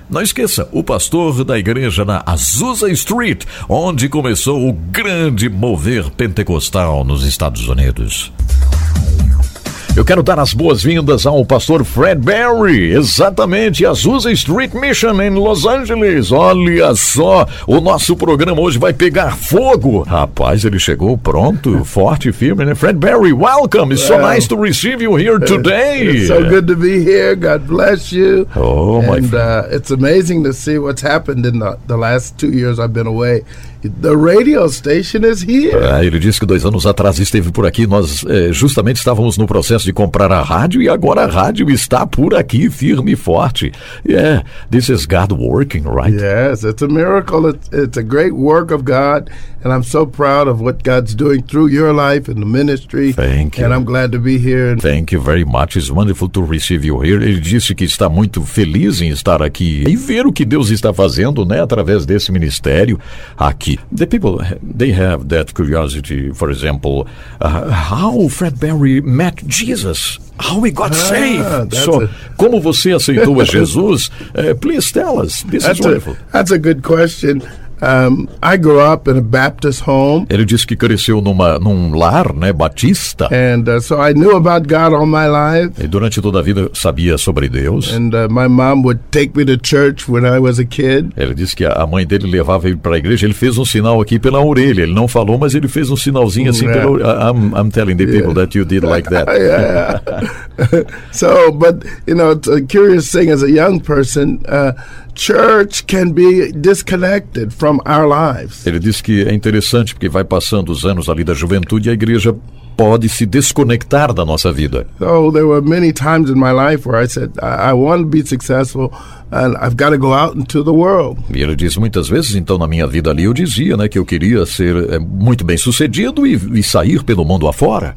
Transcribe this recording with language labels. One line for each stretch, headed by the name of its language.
Portuguese: Não esqueça, o pastor da igreja na Azusa Street, onde começou o grande mover pentecostal nos Estados Unidos. Eu quero dar as boas-vindas ao pastor Fred Berry, exatamente, Azusa Street Mission em Los Angeles. Olha só, o nosso programa hoje vai pegar fogo. Rapaz, ele chegou pronto, forte e firme, né?
English: Fred Berry, welcome. It's so nice to receive you here today. It's so good to be here. God bless you. Oh, my. And it's amazing to see what's happened in the last 2 years I've been away. The radio station is here.
Portuguese: Ah, ele disse que 2 anos atrás esteve por aqui. Nós justamente estávamos no processo de comprar a rádio e agora a rádio está por aqui, firme e forte.
English: Yeah, this is God working, right? Yes, it's a miracle. It's a great work of God. And I'm so proud of what God's doing through your life and the ministry. Thank you. And I'm glad to be here. Thank you very much. It's wonderful to receive you here.
Portuguese: Ele disse que está muito feliz em estar aqui e ver o que Deus está fazendo, né, através desse ministério aqui.
English: The people, they have that curiosity, for example, how Fred Berry met Jesus, how he got saved.
Portuguese: So, como você aceitou a Jesus?
English: Please tell us. This is wonderful. That's a good question. I grew up in a Baptist home.
Portuguese: Ele disse que cresceu num lar, né, batista.
English: And so I knew about God all my life.
Portuguese: E durante toda a vida sabia sobre Deus.
English: And my mom would take me to church when I was a kid.
Portuguese: Ele disse que a mãe dele levava ele para a igreja. Ele fez um sinal aqui pela orelha. Ele não falou, mas ele fez um sinalzinho assim pela orelha.
English: I'm telling the people that you did like that. So, but you know, it's a curious thing as a young person. Church can be disconnected from our lives.
Portuguese: Ele disse que é interessante porque vai passando os anos ali da juventude e a igreja pode se desconectar da nossa vida.
English: So there were many times in my life where I said I want to be successful and I've got to go out into the world.
Portuguese: E ele diz muitas vezes, então na minha vida ali eu dizia, né, que eu queria ser muito bem-sucedido e sair pelo mundo afora.